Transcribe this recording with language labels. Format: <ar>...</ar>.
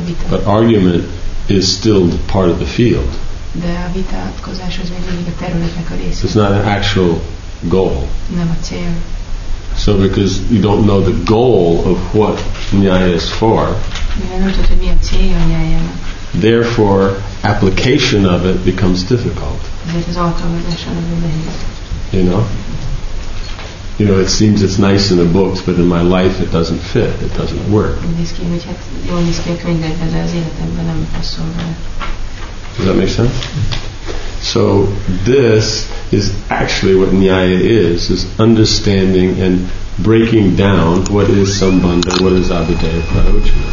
<en>But argument is still part of the field.</en> <hu>De a vitatkozás az még mindig a területnek a része.</hu> <en>It's not an actual goal.</en> <hu>Nem a cél.</hu> <en>So because you don't know the goal of what nyaya is for.</en> <hu>Mivel nem tudod, hogy mi a célja a nyájának.</hu> <en>Therefore, application of it becomes difficult.</en> <hu>Ezért az alkalmazása nagyon nehéz.</hu> <en>You know? You know, it seems it's nice in the books, but in my life it doesn't fit, it doesn't work.</en> <hu>Néz ki, hogy hát jól néz ki a könyvekben, de az életemben nem passzol bele.</hu> <en>Does that make sense? So this is actually what nyaya is understanding and breaking down what is sambandha, what is avideya prayojana.</en>